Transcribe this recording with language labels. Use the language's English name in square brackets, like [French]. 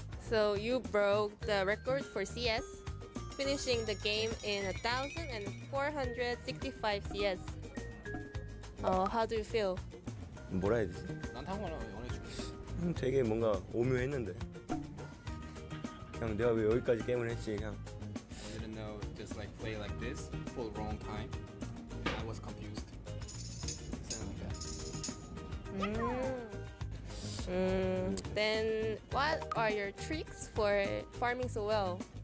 [English] So you broke the record for CS, finishing the game in 1465 CS. How do you feel? [Korean] 뭐라 해야 되지? 난 한국말로 영어해줄게. 되게 뭔가 오묘했는데. 그냥 내가 왜 여기까지 게임을 했지 그냥. [English] I didn't know just like play like this for the wrong time. I was confused. Something like that. Then what are your tricks for farming so well?